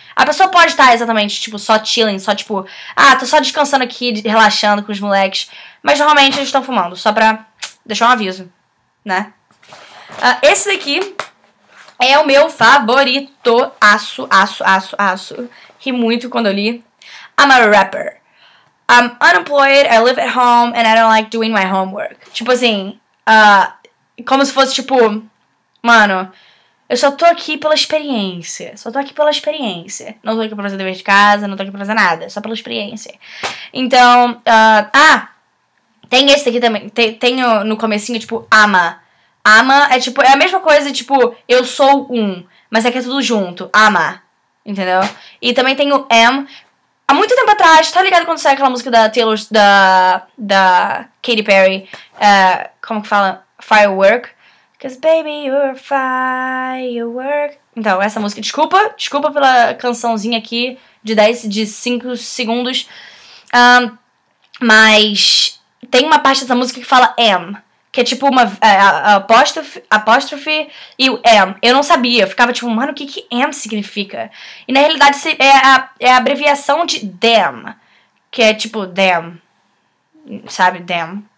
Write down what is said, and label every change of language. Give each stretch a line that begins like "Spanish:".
Portuguese: A pessoa pode estar exatamente, tipo, só chilling, só tipo, ah, tô só descansando aqui, relaxando com os moleques. Mas normalmente eles estão fumando, só pra deixar um aviso, né? Esse daqui é o meu favorito. Aço, aço, aço, aço. Ri muito quando eu li.
English: I'm a rapper. I'm unemployed, I live at home, and I don't like doing my homework.
Portuguese: Tipo assim, como se fosse tipo, mano, eu só tô aqui pela experiência. Só tô aqui pela experiência. Não tô aqui pra fazer dever de casa, não tô aqui pra fazer nada. Só pela experiência. Então, tem esse aqui também. Tem no comecinho, tipo, ama. Ama é tipo, é a mesma coisa, tipo, eu sou um. Mas é que é tudo junto. Ama. Entendeu? E também tem o am. há muito tempo atrás, tá ligado quando saiu aquela música da Taylor, da Katy Perry, como que fala?
English: Firework. 'Cause baby, you're a firework.
Portuguese: Então, essa música, desculpa pela cançãozinha aqui de 10, de 5 segundos. Mas tem uma parte dessa música que fala am, que é tipo uma apóstrofe e o am. Eu não sabia, eu ficava tipo, mano, o que am significa? E na realidade é a abreviação de damn, que é tipo damn, sabe, damn.